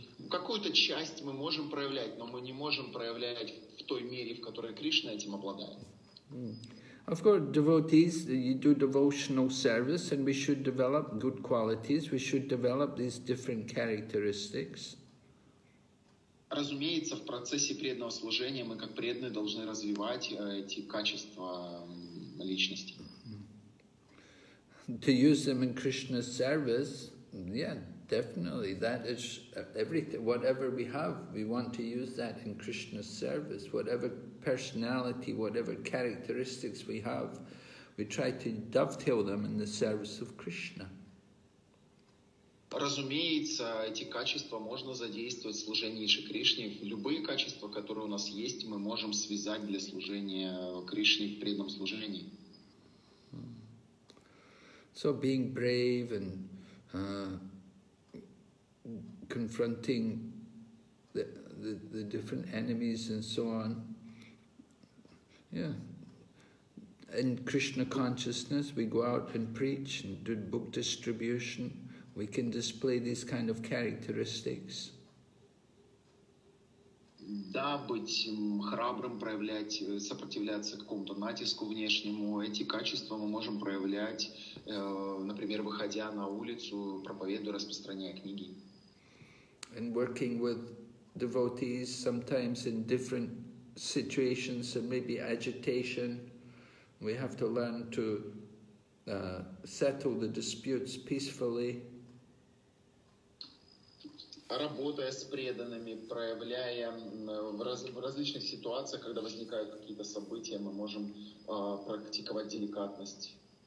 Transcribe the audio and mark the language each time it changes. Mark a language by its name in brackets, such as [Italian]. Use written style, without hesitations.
[Russian] Какую-то часть мы можем проявлять, но мы не можем проявлять в той мере, в которой Кришна этим обладает. [English] Of course, devotees, you do devotional service, and we should develop good qualities. We should develop these different characteristics. [Russian] Разумеется, в процессе преданного служения мы как преданные должны развивать эти качества личности. [English] To use them in Krishna's service, yeah, definitely. That is everything. Whatever we have, we want to use that in Krishna's service. Whatever personality, whatever characteristics we have, we try to dovetail them in the service of Krishna. [Russian] Разумеется, эти качества можно задействовать в служении Шри Кришне. Любые качества, которые у нас есть, мы можем связать для служения Кришне в преданном служении. [English] So being brave and confronting the different enemies and so on. Yeah. In Krishna consciousness, we go out and preach and do book distribution. We can display these kind of characteristics. [Russian] Да, быть храбрым, проявлять, сопротивляться какому-то натиску внешнему. Эти качества мы можем проявлять, например, выходя на улицу, проповедуя, распространяя книги. [English] And working with devotees sometimes in different situations and maybe agitation, we have to learn to settle the disputes peacefully. [Russian] Работая с преданными, проявляя в различных ситуациях, когда возникают какие-то события, мы можем практиковать деликатность.